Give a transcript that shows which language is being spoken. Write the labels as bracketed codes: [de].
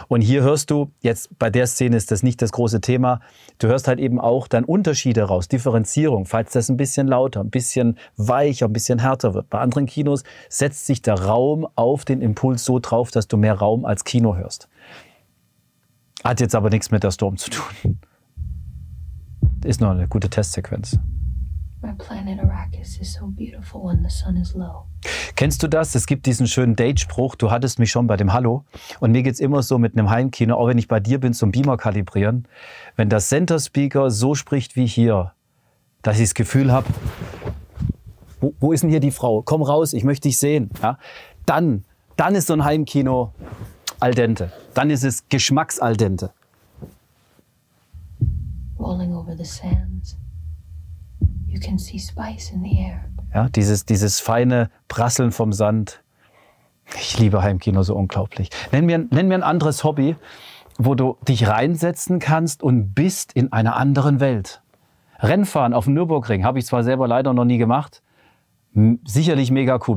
[de] Und hier hörst du, jetzt bei der Szene ist das nicht das große Thema, du hörst halt eben auch dann Unterschiede raus, Differenzierung, falls das ein bisschen lauter, ein bisschen weicher, ein bisschen härter wird. Bei anderen Kinos setzt sich der Raum auf den Impuls so drauf, dass du mehr Raum als Kino hörst. Hat jetzt aber nichts mit der Storm zu tun. Ist nur eine gute Testsequenz. [en] My planet Arrakis is so beautiful when the sun is low. [de] Kennst du das? Es gibt diesen schönen Date-Spruch, du hattest mich schon bei dem Hallo. Und mir geht es immer so mit einem Heimkino, auch wenn ich bei dir bin, zum Beamer kalibrieren. Wenn der Center Speaker so spricht wie hier, dass ich das Gefühl habe, wo ist denn hier die Frau? Komm raus, ich möchte dich sehen. Ja? Dann ist so ein Heimkino al dente. Dann ist es Geschmacks-al dente. [en] Rolling over the sands. You can see spice in the air. [de] Ja, dieses feine Prasseln vom Sand. Ich liebe Heimkino so unglaublich. Nenn mir ein anderes Hobby, wo du dich reinsetzen kannst und bist in einer anderen Welt. Rennfahren auf dem Nürburgring habe ich zwar selber leider noch nie gemacht. Sicherlich mega cool.